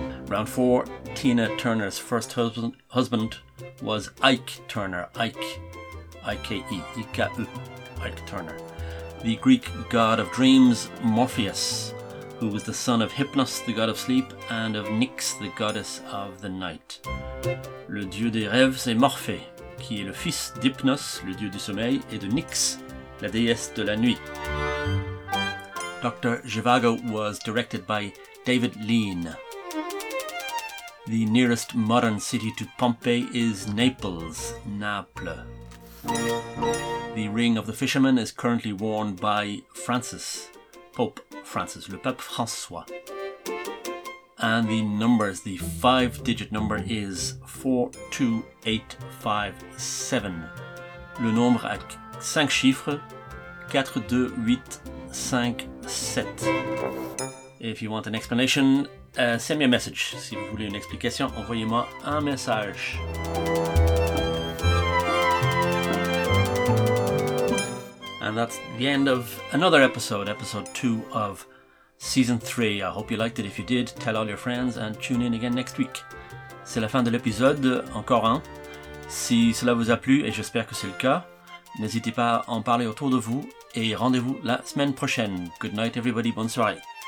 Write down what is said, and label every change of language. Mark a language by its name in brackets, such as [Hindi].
[English] Round 4, Tina Turner's first husband was Ike Turner. Ike, I-K-E, I-K-E, Ike Turner. The Greek god of dreams, Morpheus, who was the son of Hypnos, the god of sleep, and of Nyx, the goddess of the night. [French] Le dieu des rêves, c'est Morphée, qui est le fils d'Hypnos, le dieu du sommeil, et de Nyx, la déesse de la nuit. [English] Dr. Zhivago was directed by David Lean. The nearest modern city to Pompeii is Naples, Naples. The ring of the fisherman is currently worn by Francis, Pope Francis, [French] le Pape François. [English] And the numbers, the five-digit number is 42857. [French] Le nombre a 5 chiffres, 42857. [English] If you want an explanation, send me a message. [French] Si vous voulez une explication, envoyez-moi un message. [English] And that's the end of another episode, episode 2 of season 3. I hope you liked it. If you did, tell all your friends and tune in again next week. [French] C'est la fin de l'épisode, encore un. Si cela vous a plu, et j'espère que c'est le cas, n'hésitez pas à en parler autour de vous et rendez-vous la semaine prochaine. [English] Good night everybody, [French] bonne soirée.